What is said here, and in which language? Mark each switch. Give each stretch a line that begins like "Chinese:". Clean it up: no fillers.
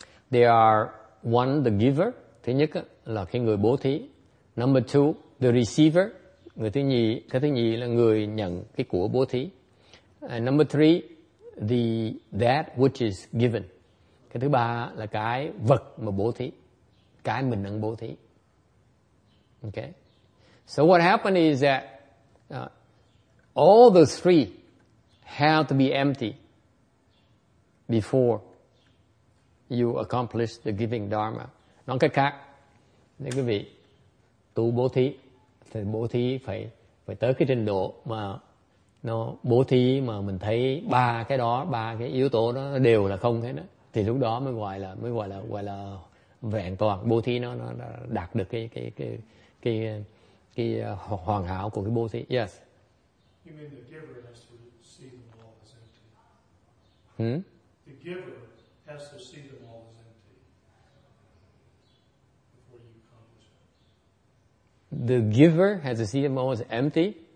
English: They are one, the giver,
Vietnamese: thứ nhất là cái người bố thí.
English: Number two, the receiver,
Vietnamese: cái thứ nhì là người nhận cái của bố thí.
English: And number three, that which is given.
Vietnamese: Cái thứ ba là cái vật mà bố thí, cái mình đang bố thí.
English: Okay. So what happened is that all the three have to be empty before you accomplish the giving dharma.
Vietnamese: Nói cách khác, nếu quý vị tu bố thí, thì bố thí phải tới cái trình độ mà nó bố thí mà mình thấy ba cái yếu tố đó đều là không hết đó, thì lúc đó mới gọi là vẹn toàn bố thí, nó đạt được cái hoàn hảo của cái bố thí.
English: Yes. You mean the giver has to receive them all as empty. Hmm? The giver has to see them all as empty before you accomplish. The giver has to see them all as empty.